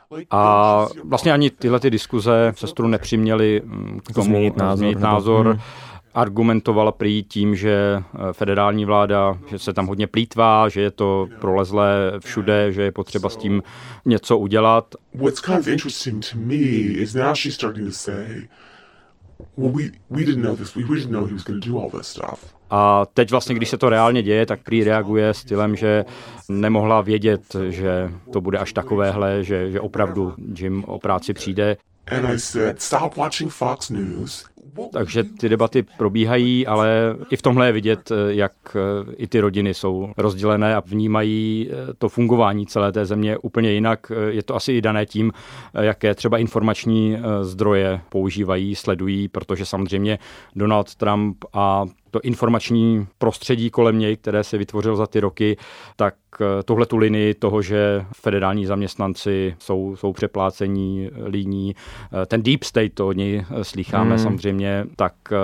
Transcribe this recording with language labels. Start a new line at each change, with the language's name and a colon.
Czech: A vlastně ani tyhle ty diskuze sestru nepřiměly k tomu změnit názor. Změnit názor. Argumentoval prý tím, že federální vláda, že se tam hodně plýtvá, že je to prolezlé všude, že je potřeba s tím něco udělat.
English: What's kind of interesting to me is now she's starting to say, well, we didn't know this, we didn't know he was going to do all this stuff.
Czech: A teď vlastně, když se to reálně děje, tak prý reaguje stylem, že nemohla vědět, že to bude až takovéhle, že opravdu Jim o práci přijde.
English: And I said, stop watching Fox News.
Czech: Takže ty debaty probíhají, ale i v tomhle je vidět, jak i ty rodiny jsou rozdělené a vnímají to fungování celé té země úplně jinak. Je to asi i dané tím, jaké třeba informační zdroje používají, sledují, protože samozřejmě Donald Trump a to informační prostředí kolem něj, které se vytvořilo za ty roky, tak tuhle tu linii toho, že federální zaměstnanci jsou přeplácení líní, ten deep state, to od něj slýcháme samozřejmě, tak